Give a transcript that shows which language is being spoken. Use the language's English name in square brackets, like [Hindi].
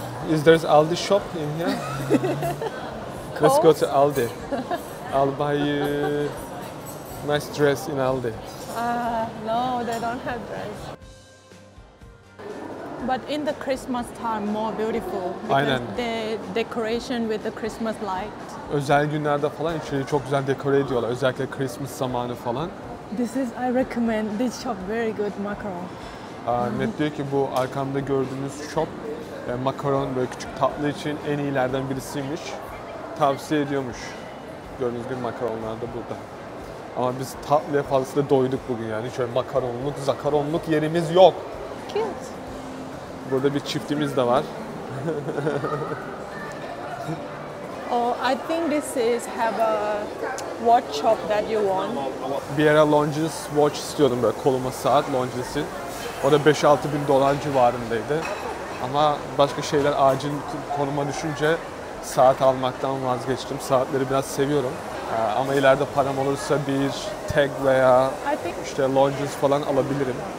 [English] Is there Aldi shop in here? Let's go to Aldi. I'll buy you a nice dress in Aldi. No, they don't have dress. But in the Christmas time, more beautiful. Because [Turkish] aynen. [English] The decoration with the Christmas light. [Turkish] Özel günlerde falan içeri çok güzel dekore ediyorlar. Özellikle Christmas zamanı falan. [English] This is, I recommend this shop, very good mackerel. [Turkish] Net diyor ki bu arkamda gördüğünüz shop makaron böyle küçük tatlı için en iyilerden birisiymiş. Tavsiye ediyormuş. Gördüğünüz gibi makaronlar da burada. Ama biz tatlıya fazlasıyla doyduk bugün yani. Şöyle makaronluk, zakaronluk yerimiz yok. [English] Cute. [Turkish] Burada bir çiftimiz de var. [English] Oh, I think this is have a watch shop that you want. [Turkish] Bir ara Longines watch istiyordum böyle koluma saat Longines'in. O da 5-6 bin dolar civarındaydı. Ama başka şeyler acil konuma düşünce saat almaktan vazgeçtim. Saatleri biraz seviyorum. Ama ileride param olursa bir Tag veya işte Longines falan alabilirim.